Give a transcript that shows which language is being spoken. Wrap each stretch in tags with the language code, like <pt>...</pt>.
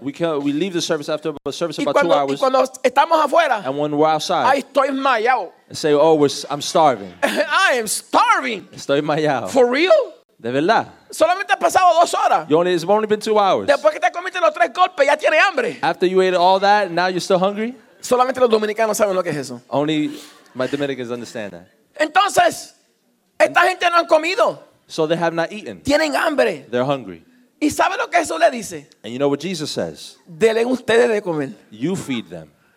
<en>We leave the service after a service</en> <es>y</es> <en>about</en> <es>cuando,</es> <en>2 hours.</en> <es>Y cuando estamos afuera.</es> <en>And when we're outside.</en> <es>Ay, estoy mayao.</es> <en>Say, oh, I'm starving. I am starving.</en> <es>Estoy mayao.</es> <en>For real?</en> <es>De verdad. Solamente ha pasado dos horas.</es> <en>It's only been 2 hours.</en> <es>Después que te comiste los tres golpes, ya tienes hambre.</es> <en>After you ate all that, now you're still hungry?</en> <es>Solamente los dominicanos saben lo que es eso.</es> <en>Only my Dominicans understand that.</en> <es>Entonces, esta And gente no han comido.</es> <en>So they have not eaten.</en> <es>Tienen hambre.</es> <en>They're hungry.</en> <es>¿Y sabe lo que eso le dice?</es> <en>And you know what Jesus says?</en> <es>Delen ustedes de comer.</es> <en>You feed them.</en>